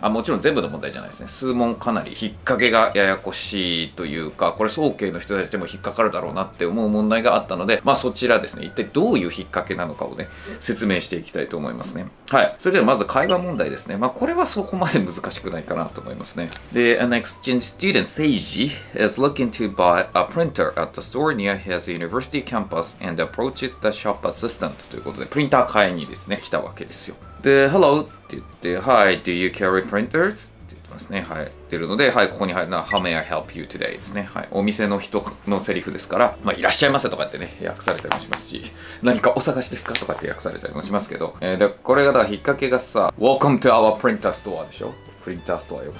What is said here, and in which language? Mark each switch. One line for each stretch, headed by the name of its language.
Japanese: あ、もちろん全部の問題じゃないですね。数問かなり引っ掛けがややこしいというか、これ総計の人たちでも引っかかるだろうなって思う問題があったので、まあそちらですね、一体どういう引っ掛けなのかをね説明していきたいと思いますね。はい、それではまず会話問題ですね。まあこれはそこまで難しくないかなと思いますね。
English: で、an exchange student, Seiji, is looking to buy a printer at the store near his university campus and approaches the shop assistant.
Japanese: ということで、プリンター買いにですね、来たわけですよ。で、hello! って言って、
English: hi, do you carry printers?
Japanese: って言ってますね。はい。出るので、はい、ここに入るのは、
English: how may I help you today?
Japanese: ですね。はい。お店の人のセリフですから、まあ、いらっしゃいませとかってね、訳されたりもしますし、何かお探しですかとかって訳されたりもしますけど、で、これがだから引っ掛けがさ、
English: welcome to our printer store
Japanese: でしょ。プリンターストアよ。